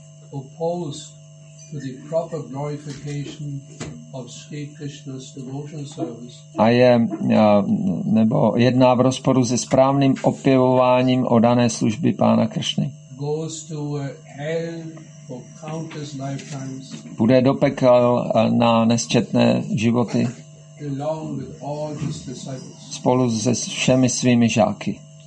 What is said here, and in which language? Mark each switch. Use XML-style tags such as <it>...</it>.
<en>Opposed to the proper glorification of Sri Krishna's devotional service.</en> <cs>A je nebo jedná v rozporu se správným opěvováním o dané služby pána Kršny.</cs> <en>Goes to hell for countless lifetimes.</en> <cs>Bude do pekel na nesčetné životy.</cs> <en>Along with all his disciples.</en> <cs>Spolu se všemi svými žáky.</cs>